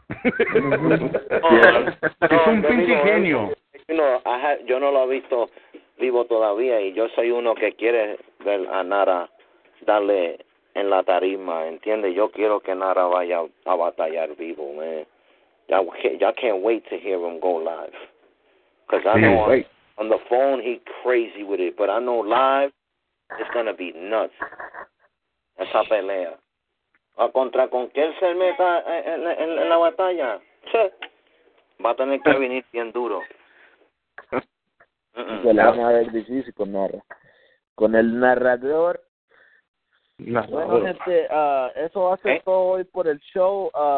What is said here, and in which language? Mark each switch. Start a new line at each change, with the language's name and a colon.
Spanish: Es un pinche genio. Yo no lo he visto vivo todavía y yo soy uno que quiere ver a Narra darle en la tarima, ¿entiendes? Yo quiero que Narra vaya a batallar vivo, man.
English: I can't wait to hear him go live. Because I know on the phone he crazy with it, but I know live it's going to be nuts.
Spanish: Esa pelea. ¿A contra con quién se meta en la batalla? Che. Va a tener que venir bien duro. Se la vamos a ver difícil con Narra. Con el narrador. Bueno, gente, eso va a ser todo hoy por el show.